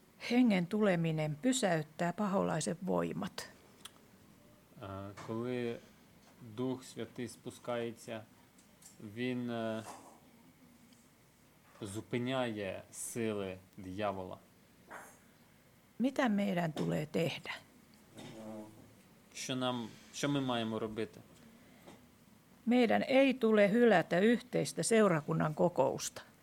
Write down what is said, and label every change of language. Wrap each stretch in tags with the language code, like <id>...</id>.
<fi>Hengen tuleminen pysäyttää paholaisen voimat.</fi> <uk>Коли Дух Святий спускається, він зупиняє сили диявола.</uk> <fi>Mitä meidän tulee tehdä?</fi> <uk>Що ми маємо робити?</uk> <fi>Meidän ei tule hylätä yhteistä seurakunnan kokousta.</fi>